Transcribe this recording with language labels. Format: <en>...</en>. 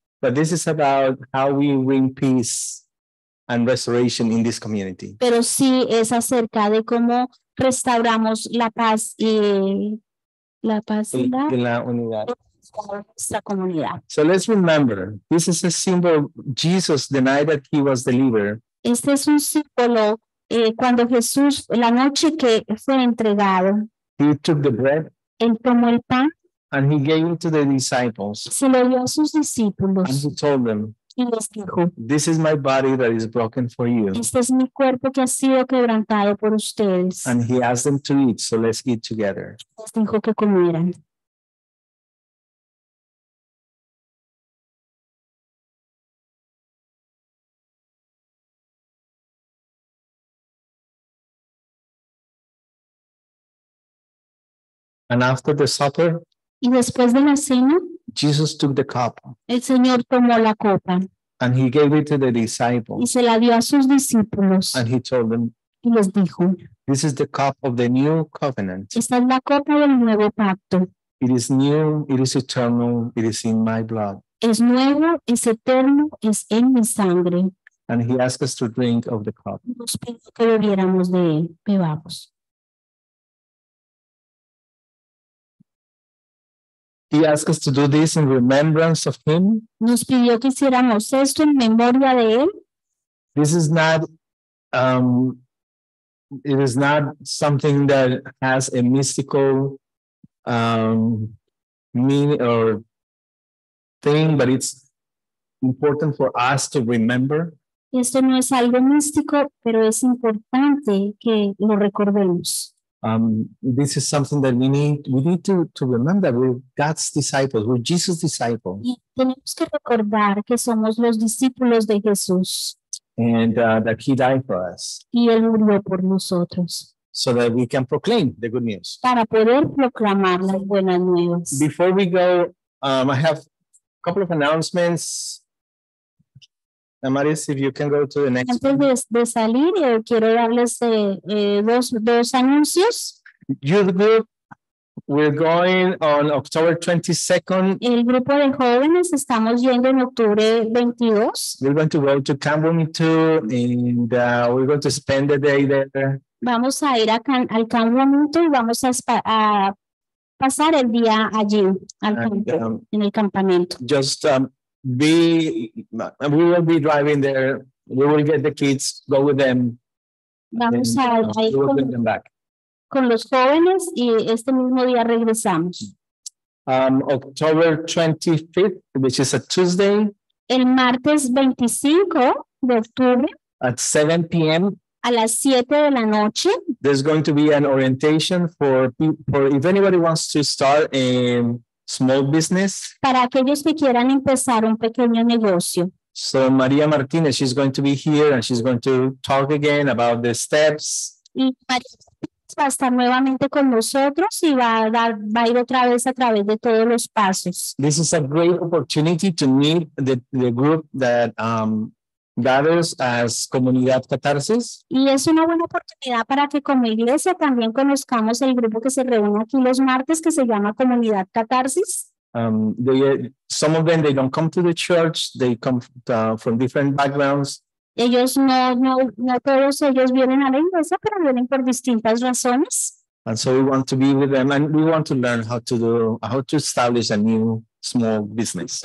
<en>But this is about how we bring peace and restoration in this community.</en> <es>Pero sí es acerca de cómo restauramos la paz y la paz en la unidad. Comunidad.</es> <en>So let's remember, this is a symbol. Jesus denied that he was delivered.</en> <es>Este es un símbolo cuando Jesús, la noche que fue entregado,</es> <en>he took the bread,</en> <es>él tomó el pan,</es> <en>and he gave it to the disciples,</en> <es>se lo dio a sus discípulos,</es> <en>and he told them,</en> <es>y les dijo,</es> <en>this is my body that is broken for you.</en> <es>Este es mi cuerpo que ha sido quebrantado por ustedes.</es> <en>And he asked them to eat, so let's eat together.</en> <es>Les dijo que comieran.</es> <en>And after the supper,</en> <es>y después de la cena,</es> <en>Jesus took the cup.</en> <es>El Señor tomó la copa.</es> <en>And he gave it to the disciples.</en> <es>Y se la dio a sus discípulos.</es> <en>And he told them,</en> <es>y les dijo,</es> <en>this is the cup of the new covenant.</en> <es>Esta es la copa del nuevo pacto.</es> <en>It is new, it is eternal, it is in my blood.</en> <es>Es nuevo, es eterno, es en mi sangre.</es> <en>And he asked us to drink of the cup.</en> <es>Nos pidió que bebiéramos de él, bebamos.</es> <en>He asked us to do this in remembrance of him.</en> <es>Nos pidió que hiciéramos esto en memoria de él.</es> <en>This is not, it is not something that has a mystical meaning or thing, but it's important for us to remember.</en> <es>Esto no es algo místico, pero es importante que lo recordemos.</es> <en>This is something that we need to remember. We're God's disciples. We're Jesus' disciples.</en> <es>Y tenemos que recordar que somos los discípulos de Jesús.</es> <en>And that he died for us.</en> <es>Y él murió por nosotros.</es> <en>So that we can proclaim the good news.</en> <es>Para poder proclamar las buenas nuevas.</es> <en>Before we go, I have a couple of announcements. Amaris, if you can go to the next.</en> <es>Antes de salir, quiero darles dos anuncios.</es> <en>Youth group, we're going on October 22nd.</en> <es>El grupo de jóvenes estamos yendo en octubre 22.</es> <en>We're going to go to Camboom too, and we're going to spend the day there.</en> <es>Vamos a ir al campamento y vamos a pasar el día allí, en el campamento.</es> <en>Just we will be driving there. We will get the kids, go with them.</en> <es>Vamos a ir con los jóvenes y este mismo día regresamos.</es> <en>October 25th, which is a Tuesday.</en> <es>El martes 25 de octubre.</es> <en>At 7 p.m.</en> <es>A las 7 de la noche.</es> <en>There's going to be an orientation for if anybody wants to start a small business.</en> <es>Para aquellos que quieran empezar un pequeño negocio.</es> <en>So María Martínez, she's going to be here and she's going to talk again about the steps.</en> <es>Y María Martínez va a estar nuevamente con nosotros y va a ir otra vez a través de todos los pasos.</es> <en>This is a great opportunity to meet the group that gathers as Comunidad Catarsis.</en> <es>Y es una buena oportunidad para que como iglesia también conozcamos el grupo que se reúne aquí los martes que se llama Comunidad Catarsis.</es> <en>Some of them, they don't come to the church. They come from different backgrounds.</en> <es>Ellos no todos ellos vienen a la iglesia, pero vienen por distintas razones.</es> <en>And so we want to be with them and we want to learn how to establish a new small business.</en>